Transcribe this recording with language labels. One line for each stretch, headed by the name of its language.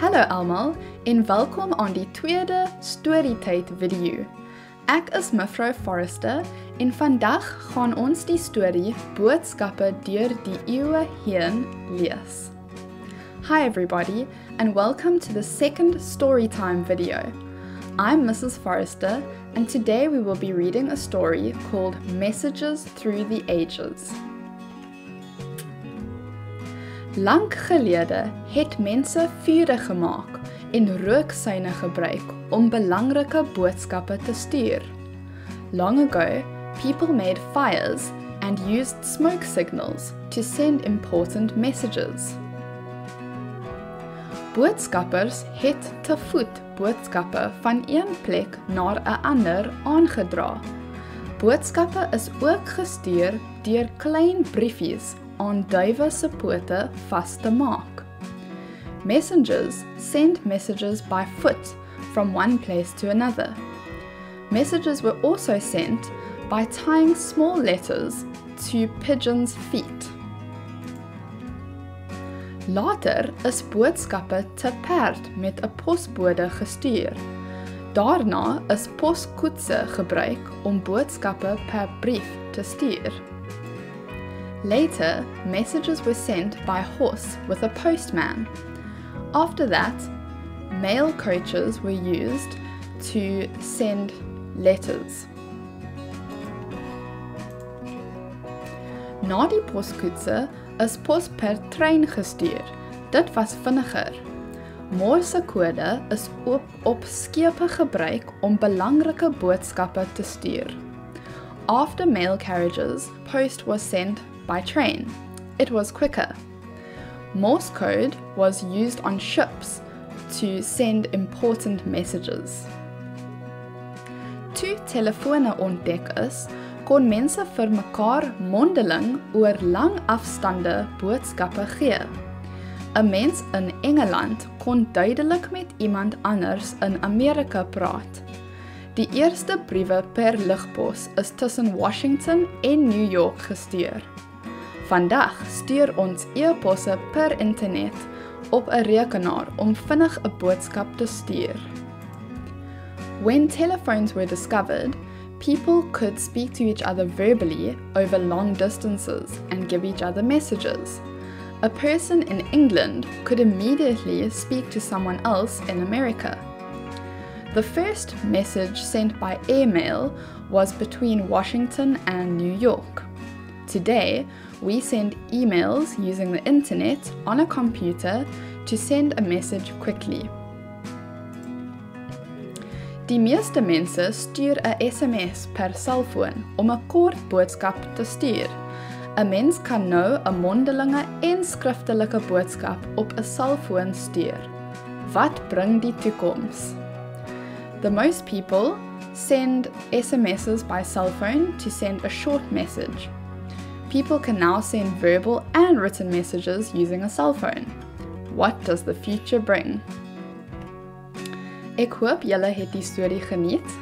Afrikaans: almal en welkom aan die tweede Storytijd video. Ek is mevrou Forrester en vandag gaan ons die story Boodskappe deur die eeue heen lees.
English: Hi everybody and welcome to the second Storytime video. I'm Mrs. Forrester and today we will be reading a story called Messages Through the Ages.
Afrikaans: Lang gelede het mense vure gemaak en rooksuine gebruik om belangrike boodskappe te stuur.
English: Long ago, people made fires and used smoke signals to send important messages.
Afrikaans: Boodskappers het te voet boodskappe van een plek naar 'n ander aangedra. Boodskappe is ook gestuur deur klein briefies aan duive se pote vas te maak.
English: Messengers send messages by foot from one place to another. Messages were also sent by tying small letters to pigeons' feet.
Afrikaans: Later is boodskappe te perd met 'n posbode gestuur. Daarna is poskoetse gebruik om boodskappe per brief te stuur.
English: Later, messages were sent by horse with a postman. After that, mail coaches were used to send letters.
Afrikaans: Na die poskoetse is pos per trein gestuur. Dit was vinniger. Morsekode is op skepe gebruik om belangrike boodskappe te stuur.
English: After mail carriages, post was sent by train. It was quicker. Morse code was used on ships to send important messages.
Afrikaans: Toe telefone ontdek is, kon mense vir mekaar mondeling oor lang afstande boodskappe gee. 'N Mens in Engeland kon duidelik met iemand anders in Amerika praat. Die eerste briewe per lugpos is tussen Washington en New York gestuur. Vandag stuur ons e-posse per internet op 'n rekenaar om vinnig 'n boodskap te stuur.
English: When telephones were discovered, people could speak to each other verbally over long distances and give each other messages. A person in England could immediately speak to someone else in America. The first message sent by airmail was between Washington and New York. Today, we send emails using the internet on a computer to send a message quickly.
Afrikaans: Die meeste mense stuur 'n SMS per selfoon om 'n kort boodskap te stuur. 'N Mens kan nou 'n mondelinge en skriftelike boodskap op 'n selfoon stuur. Wat bring die toekoms?
English: The most people send SMSs by cell phone to send a short message. People can now send verbal and written messages using a cell phone. What does the future bring?
Afrikaans: Ek hoop julle het die storie geniet.